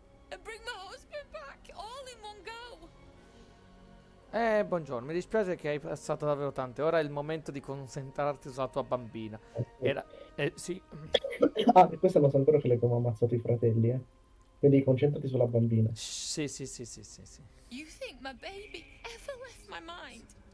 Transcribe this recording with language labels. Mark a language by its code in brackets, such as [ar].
[en] And bring my husband back all in one go. [it] Buongiorno. Mi dispiace che hai passato davvero tante. Ora è il momento di concentrarti sulla tua bambina. Era. Sì. Ah, questo lo so ancora che le abbiamo ammazzato i fratelli, eh. Quindi concentrati sulla bambina. Sì. [en] You think my baby ever left my mind?